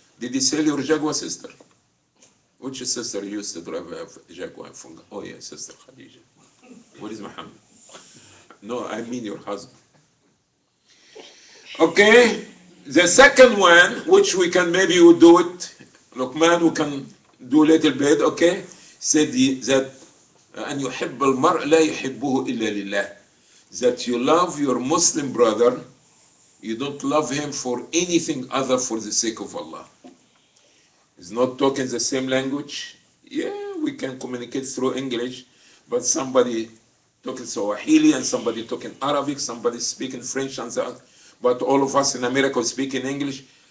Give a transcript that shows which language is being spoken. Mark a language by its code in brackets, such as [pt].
[en] Did you sell your Jaguar, sister? Which sister used to drive a Jaguar? Oh yeah, sister Khadija. What is Muhammad? No, I mean your husband. Okay, the second one, which we can maybe we do it, Luqman, we can do a little bit, okay? Said that, [ar] أن يحب المرء لا يحبه إلا لله. [en] That you love your Muslim brother, you don't love him for anything other for the sake of Allah. He's not talking the same language. Yeah, we can communicate through English, but somebody talking Swahili and somebody talking Arabic, somebody speaking French and that, but all of us in America speaking English.